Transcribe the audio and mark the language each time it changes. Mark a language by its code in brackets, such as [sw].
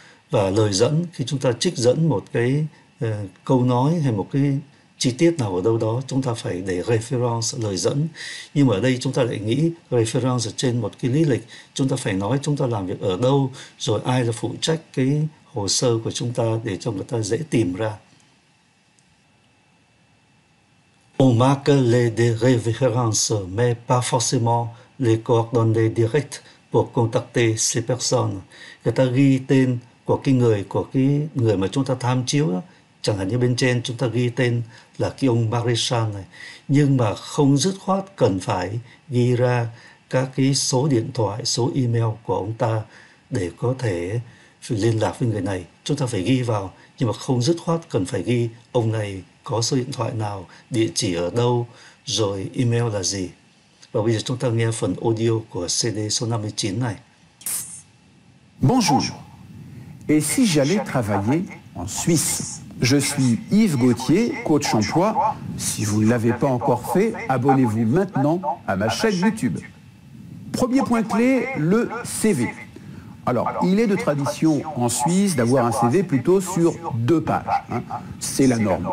[vi] Và lời dẫn, khi chúng ta trích dẫn một cái câu nói hay một cái chi tiết nào ở đâu đó, chúng ta phải để reference, lời dẫn. Nhưng mà ở đây chúng ta lại nghĩ reference trên một cái lý lịch, chúng ta phải nói chúng ta làm việc ở đâu, rồi ai là phụ trách cái hồ sơ của chúng ta để cho người ta dễ tìm ra. [fr] On marque les références, mais pas forcément les coordonnées directes pour contacter ces personnes. [vi] Người ta ghi tên của cái người mà chúng ta tham chiếu đó. Chẳng hạn như bên trên chúng ta ghi tên là cái ông Marichal này, nhưng mà không dứt khoát cần phải ghi ra các cái số điện thoại, số email của ông ta để có thể liên lạc với người này. Chúng ta phải ghi vào, nhưng mà không dứt khoát cần phải ghi ông này có số điện thoại nào, địa chỉ ở đâu, rồi email là gì. Và bây giờ chúng ta nghe phần audio của CD số 59 này. [fr] Bonjour. Et si j'allais travailler en Suisse? Je suis Yves Gauthier, coach emploi. Si vous ne l'avez pas encore fait, abonnez-vous maintenant à ma chaîne YouTube. Premier point clé, le CV. Alors, il est de tradition en Suisse d'avoir un CV plutôt sur 2 pages. Hein. C'est la norme.